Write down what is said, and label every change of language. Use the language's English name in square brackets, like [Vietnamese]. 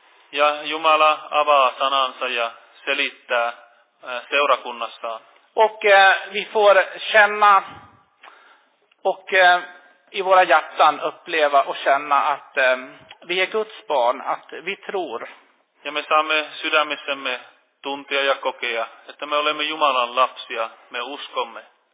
[Finnish] Ja Jumala avaa sanansa ja selittää seurakunnassaan. [Swedish] Och vi får känna och i våra hjärtan uppleva och känna att vi är Guds barn, att vi tror. [Finnish] Ja me saamme sydämissämme tuntia ja kokea, että me olemme Jumalan lapsia, me uskomme.